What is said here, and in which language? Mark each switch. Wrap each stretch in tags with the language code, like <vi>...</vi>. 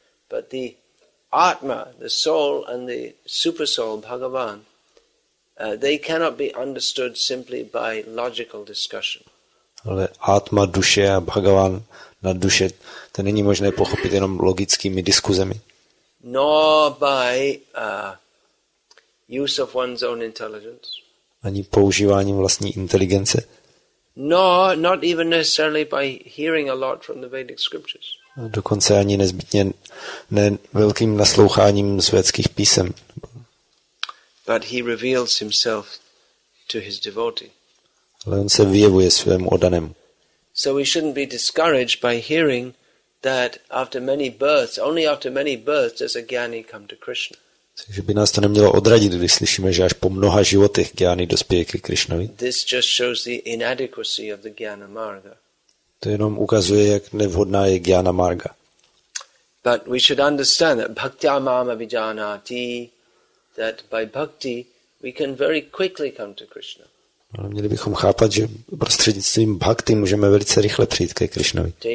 <en>But the Atma, the soul and the super soul, Bhagavan, they cannot be understood simply by logical discussion.</en> <cs>Ale Atma, duše a Bhagavan na duše, to není možné pochopit jenom logickými diskuzemi.</cs> <en>Nor by use of one's own intelligence.</en> <cs>Ani používáním vlastní inteligence.</cs> <en>Nor, not even necessarily by hearing a lot from the Vedic scriptures.</en> <cs>Dokonce ani nezbytně ne velkým nasloucháním z védských písem.</cs> <en>But he reveals himself to his devotee.</en> <cs>Ale on se vyjevuje svému oddanému.</cs> <en>So we shouldn't be discouraged by hearing that after many births, only after many births does a gyani come to Krishna.</en> <cs>Takže by nás to nemělo odradit, když slyšíme, že až po mnoha životech gyani dospěje ke Krishnovi.</cs> <en>This just shows the inadequacy of the gyana marga.</en> <cs>To jenom ukazuje, jak nevhodná je Gyana Marga.</cs> <en>But we should understand that</en> <sa>bhaktya mama vijanati,</sa> <en>that by bhakti we can very quickly come to Krishna.</en> <cs>Ale měli bychom chápat, že prostřednictvím bhakti můžeme velice rychle přijít ke Krishnovi.</cs>